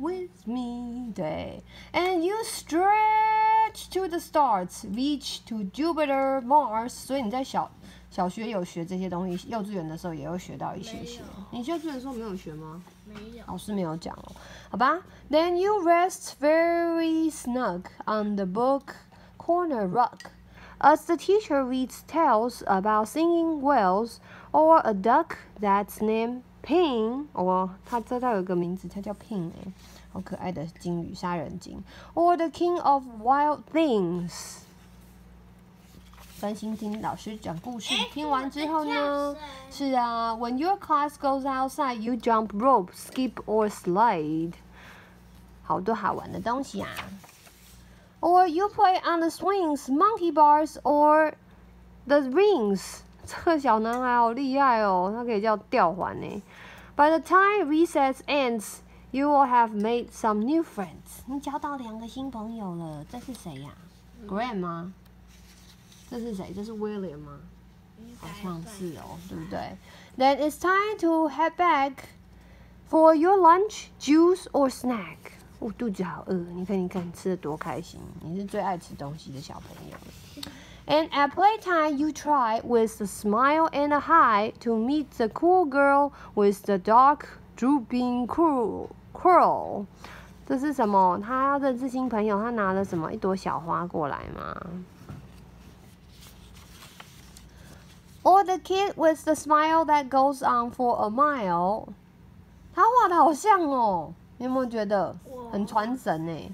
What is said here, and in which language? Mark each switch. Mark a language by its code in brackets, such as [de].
[en] with me, 对 And you stretch to the stars, reach to Jupiter, Mars. [zh] 所以你在小学有学这些东西，幼稚园的时候也有学到一些些。你幼稚园的时候没有学吗？没有，老师没有讲哦。好吧。 [en] Then you rest very snug on the book corner rug, as the teacher reads tales about singing whales or a duck that's named. [zh] Ping， 哦，他有个名字，他叫 Ping， 哎、欸，好可爱的鲸鱼，杀人鲸 ， [en] or the king of wild things。 [zh] 专心听老师讲故事，听完之后呢？是啊 [en] ，When your class goes outside, you jump rope, skip or slide。 [zh] 好多好玩的东西啊 [en] ！Or you play on the swings, monkey bars, or the rings。 [zh] 这个小男孩好厉害哦，他可以叫吊环呢。 [en] By the time recess ends, you will have made some new friends. [zh] 你交到两个新朋友了，这是谁呀、啊、？Graham 吗？这是谁？这是 William 吗？好像是哦，对不对 [en] ？Then it's time to head back for your lunch, juice or snack. [zh] 我、哦、肚子好饿，你看吃的多开心，你是最爱吃东西的小朋友了。 [en] And at playtime, you try with a smile and a hi to meet the cool girl with the dark, drooping curl. [zh] 这是什么？他要认识新朋友，他拿了什么？一朵小花过来吗？ [en] Or the kid with the smile that goes on for a mile. [zh] 他画的好像哦，你有没有觉得很传神哎？